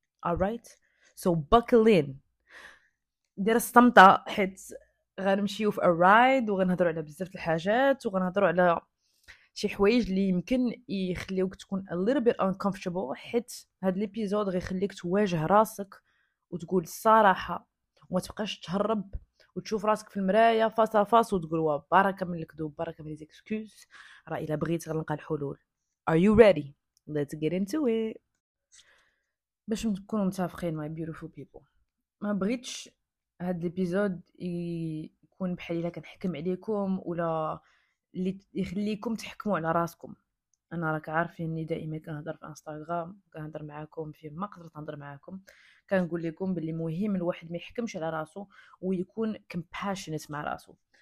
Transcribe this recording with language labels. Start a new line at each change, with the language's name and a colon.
English: alright so buckle in
Arabic: دير الصمتة حيت غنمشيو في الرايد وغنهضروا على بزاف الحاجات وغنهضروا على شي حوايج اللي يمكن يخليوك تكون
English: a little bit uncomfortable
Arabic: حيت هاد الابيزود غيخليك تواجه راسك وتقول الصراحة ومتبقاش تهرب وتشوف راسك في المرايا فاس فاس وتقول واه بركة من الكذوب بركة من الاكسكيوز راه الا بغيت غنلقى الحلول.
English: are you ready let's get into it.
Arabic: باش نكونوا متفقين
English: my beautiful people
Arabic: ما بغيتش هاد الابيزود يكون بحال الا كنحكم عليكم ولا اللي يخليكم تحكموا على راسكم. انا راك عارفين اني دائما كنهضر في انستغرام كنهضر معاكم في ما قدرت نهضر معاكم كنقول لكم باللي مهم الواحد ما يحكمش على راسه ويكون كومباشنيت مع راسه.